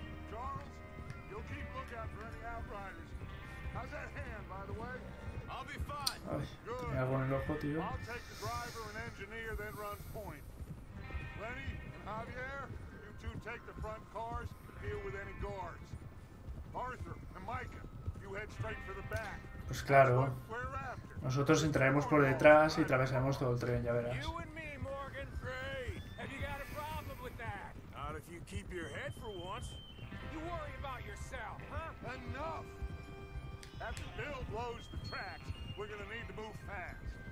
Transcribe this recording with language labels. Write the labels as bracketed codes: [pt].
[en] Charles, you'll keep lookout for any outriders. How's that hand, by the way? I'll be fine. Ay, good. [es] Tenía buen ojo, tío. [en] I'll take the driver and engineer, then run point. Lenny and Javier, you two take the front cars and deal with any guards. Arthur and Micah, you head straight for the back. [es] Pues claro. Nosotros entraremos por detrás y atravesaremos todo el tren, ya verás. [en] You and me, Morgan, great. Have you got a problem with that? Not if you keep your head for once. You worry about yourself, huh? Enough! After Bill blows the tracks, we're gonna need to move fast.